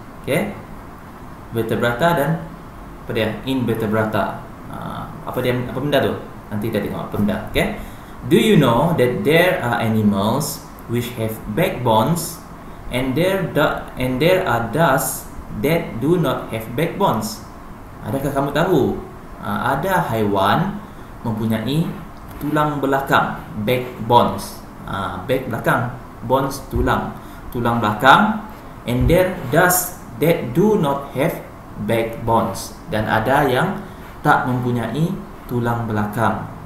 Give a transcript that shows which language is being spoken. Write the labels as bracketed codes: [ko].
[ms] Okay, vertebrata dan apa dia? Invertebrata. Apa dia? Apa benda tu? Nanti kita tengok apa benda. [en] Okay, do you know that there are animals which have backbones and there are those that do not have backbones? [ms] Adakah kamu tahu ada haiwan mempunyai tulang belakang, backbones? Back belakang, bones tulang, tulang belakang. [en] And there does that do not have back bones. [ms] Dan ada yang tak mempunyai tulang belakang.